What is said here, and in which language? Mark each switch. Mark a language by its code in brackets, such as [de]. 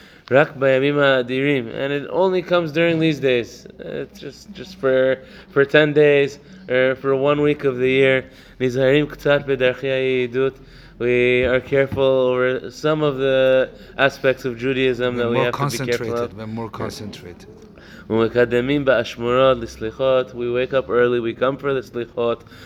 [he] Rak bayamim adirim, [en] and it only comes during these days. It's just for 10 days or for 1 week of the year. [he] Nizharim ktzat bedarchei yidut. [en] We are careful over some of the aspects of Judaism that we have to be careful of. We're more concentrated. [he] ומקדמים באשמורות לסליחות. [en] We wake up early, we come for the slichot.